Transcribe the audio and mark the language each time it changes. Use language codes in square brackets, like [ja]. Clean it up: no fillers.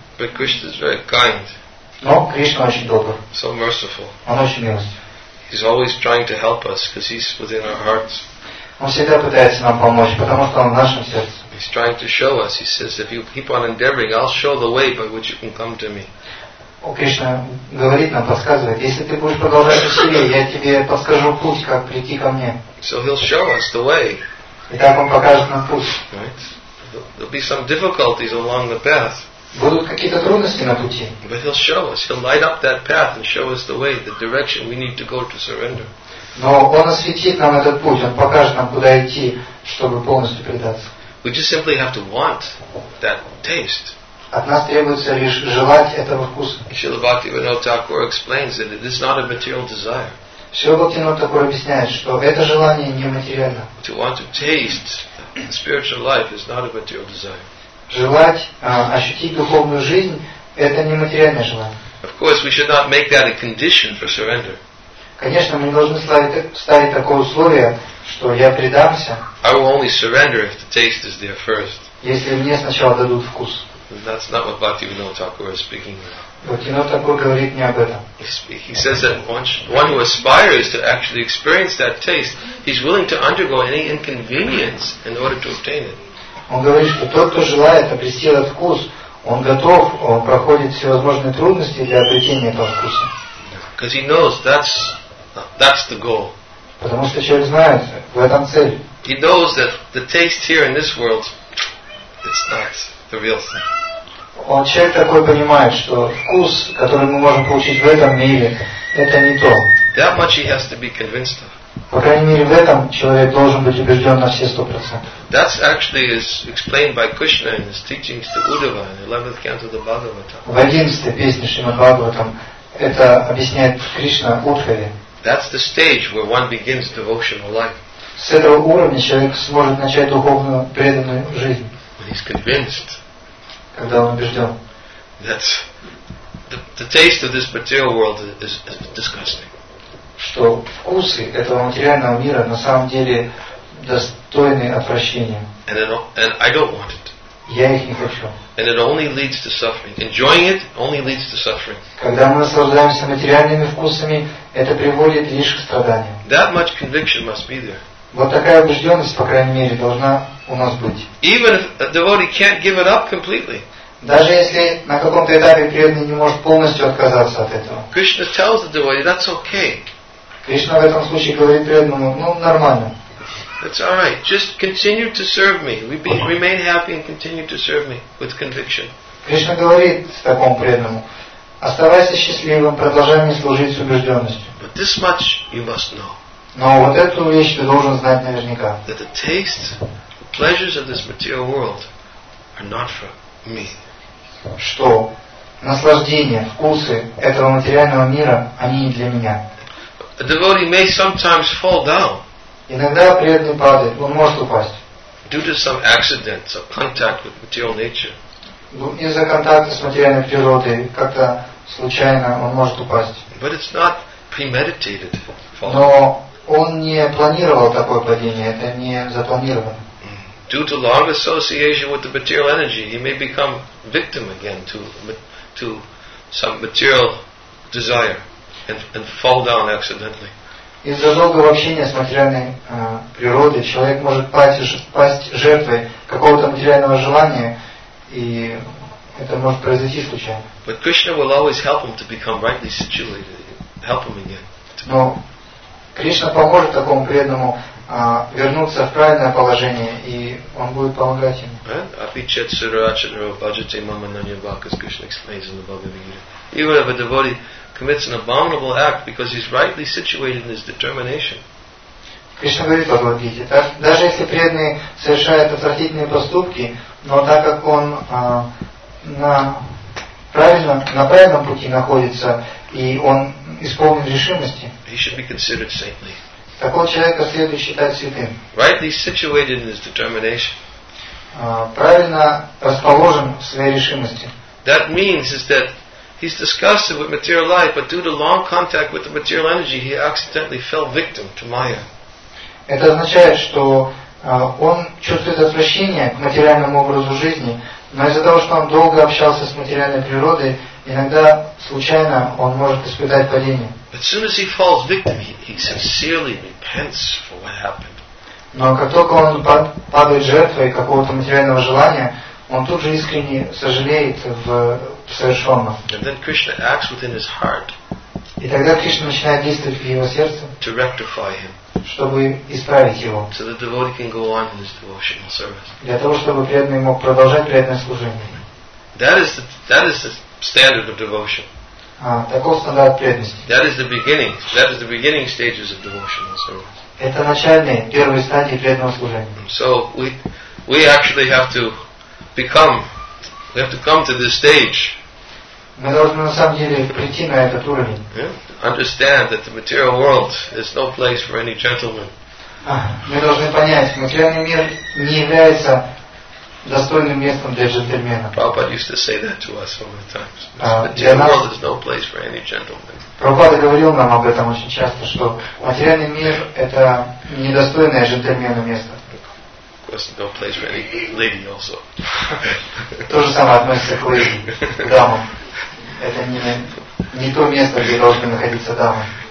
[en] But Krishna is very kind. [ru] Но Кришна очень добр. [en] So merciful. [ru] Он очень милостив. [en] He's always trying to help us because he's within our hearts. [ru] Он всегда пытается нам помочь, потому что он в нашем сердце. [en] He's trying to show us. He says, if you keep on endeavoring, I'll show the way by which you can come to me. [ru] О, Кришна говорит нам, подсказывает, если ты будешь продолжать усилия, я тебе подскажу путь, как прийти ко мне. [en] So he'll show us the way. [ru] И так он покажет нам путь. [en] Right? There'll be some difficulties along the path. [ru] Будут какие-то трудности на пути. [en] But he'll show us. He'll light up that path and show us the way, the direction we need to go to surrender. [ru] Но он осветит нам этот путь. Он покажет нам, куда идти, чтобы полностью предаться. [en] We just simply have to want that taste. [ru] От нас требуется лишь желать этого вкуса. [en] Śrīla Bhaktivinoda Thakura explains that it is not a material desire. [ru] Śrīla Bhaktivinoda Thakura объясняет, что это желание не материально. [en] To want to taste the spiritual life is not a material desire. [ru] Желать ощутить духовную жизнь – это не материальное желание. [en] Of course, we should not make that a condition for surrender. [ru] Конечно, мы не должны ставить такое условие, что я предамся. [en] I will only surrender if the taste is there first. [ru] Если мне сначала дадут вкус. [en] That's not what Bhaktivinoda Thakura is speaking about. [ru] Bhaktivinoda Thakura говорит не об этом. [en] He says that one who aspires to actually experience that taste, he's willing to undergo any inconvenience in order to obtain it. [ru] Он говорит, что тот, кто желает обрести этот вкус, он готов, он проходит всевозможные трудности для обретения этого вкуса. [en] Because he knows that's the goal. [ru] Потому что человек знает, в этом цель. [en] He knows that the taste here in this world, it's not the real thing. [ru] Он человек такой понимает, что вкус, который мы можем получить в этом мире, это не то. [en] That much he has to be convinced of. [ru] По крайней мере, в этом человек должен быть убежден на все 100%. [en] That's actually is explained by Krishna in his teachings to Uddhava in the 11th canto of the Bhagavatam. [ru] В 11-й песне Шримад Бхагаватам это объясняет Кришна Удхаве. [en] That's the stage where one begins devotional life. [ru] С этого уровня человек сможет начать духовную преданную жизнь. [en] When he's convinced. [ru] Когда он убежден. [en] That's the taste of this material world is disgusting. [ru] Что вкусы этого материального мира на самом деле достойны отвращения. [en] And I don't want it. [ru] Я их не хочу. [en] And it only leads to suffering. Enjoying it only leads to suffering. [ru] Когда мы наслаждаемся материальными вкусами, это приводит лишь к страданиям. [en] That much conviction must be there. [ru] Вот такая убежденность, по крайней мере, должна у нас быть. [en] Even if a devotee can't give it up completely. [ru] Даже если на каком-то этапе преданный не может полностью отказаться от этого. [en] Krishna tells the devotee, that's okay. [ru] Кришна в этом случае говорит преданному, ну, нормально. [en] It's all right. Just continue to serve me. Remain happy and continue to serve me with conviction. [ru] Кришна говорит такому преданному, оставайся счастливым, продолжай мне служить с убежденностью. [en] But this much you must know. [ru] Но вот эту вещь ты должен знать наверняка. [en] That the tastes, the pleasures of this material world are not for me. [ru] Что наслаждения, вкусы этого материального мира, они не для меня. [en] A devotee may sometimes fall down. [ru] Иногда преданный падает, он может упасть. [en] Due to some accident, some contact with material nature. [ru] Из-за контакта с материальной природой как-то случайно он может упасть. [en] But it's not premeditated fall. [ru] Но он не планировал такое падение, это не запланировано. [en] Due to long association with the material energy, he may become victim again to some material desire and fall down accidentally. [ru] Из-за долгого общения с материальной природой человек может пасть жертвой какого-то материального желания, и это может произойти случайно. [en] But Krishna will always help him to become rightly situated, help him again. [ru] Но Кришна поможет такому преданному вернуться в правильное положение, и он будет помогать ему. [sa] Apichet surachanro bhajate mamananya bhakas, [en] Krishna explains in the Bhagavad Gita. Even if a devotee commits an abominable act because he's rightly situated in his determination. [ru] Кришна говорит в Бхагавад Гите, даже если преданный совершает отвратительные поступки, но так как он на правильном пути находится, и он исполнен решимости, [en] he should be considered saintly. [ru] Такого человека следует считать святым. [en] Rightly situated in his determination. [ru] Правильно расположен в своей решимости. [en] That means is that he's disgusted with material life, but due to long contact with the material energy, he accidentally fell victim to Maya. [ru] Это означает, что он чувствует отвращение к материальному образу жизни, но из-за того, что он долго общался с материальной природой, иногда случайно он может испытать падение. [en] But as soon as he falls victim, he sincerely repents for what happened. [ru] Но как только он падает жертвой какого-то материального желания, он тут же искренне сожалеет в совершенном. [en] And then Krishna acts within his heart. [ru] И тогда Кришна начинает действовать в его сердце. [en] To rectify him. [ru] Чтобы исправить его. [en] So the devotee can go on in his devotional service. [ru] Для того, чтобы преданный мог продолжать преданное служение. [en] That is the standard of devotion. [ru] Таков стандарт преданности. [en] That is the beginning. That is the beginning stages of devotional service. [ru] Это начальные, первые стадии преданного служения. [en] So we actually have to become, we have to come to this stage. [ru] Мы должны на самом деле прийти на этот уровень. [en] Understand that the material world is no place for any gentleman. [ru] Мы должны понять, материальный мир не является достойным местом для джентльмена. [en] Prabhupada used to say that to us so many times. The material world is no place for any gentleman. [ru] Prabhupada говорил нам об этом очень часто, что материальный мир это недостойное джентльмена место. [en] Of course, no place for any lady also. [ru] То же самое относится к леди, дамам. Это не то место, где должны находиться дамы.